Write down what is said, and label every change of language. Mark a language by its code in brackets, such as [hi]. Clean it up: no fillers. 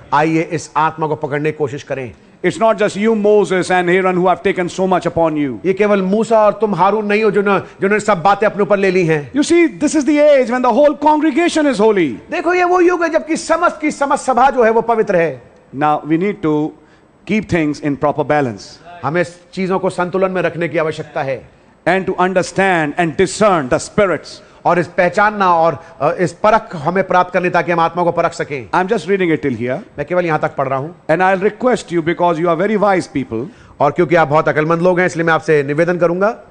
[hi] आइए इस आत्मा को पकड़ने की कोशिश करें [en] it's not just you Moses and Haroon who have taken so much upon you [hi] ये केवल मूसा और तुम हारून नहीं हो जिन्होंने सब बातें अपने ऊपर ले ली हैं [en] you see this is the age when the whole congregation is holy [hi] देखो ये वो युग है जबकि समस्त की समस्त सभा जो है वो पवित्र है [en] Now we need to keep things in proper balance. [hi] हमें चीजों को संतुलन में रखने की आवश्यकता है. [en] And to understand and discern the spirits. [hi] और इस पहचानना और इस परख हमें प्राप्त करने ताकि हम आत्मा को परख सके. [en] I'm just reading it till here. [hi] मैं केवल यहाँ तक पढ़ रहा हूँ. [en] And I'll request you because you are very wise people. [hi] और क्योंकि आप बहुत अकलमंद लोग हैं इसलिए मैं आपसे निवेदन करूंगा.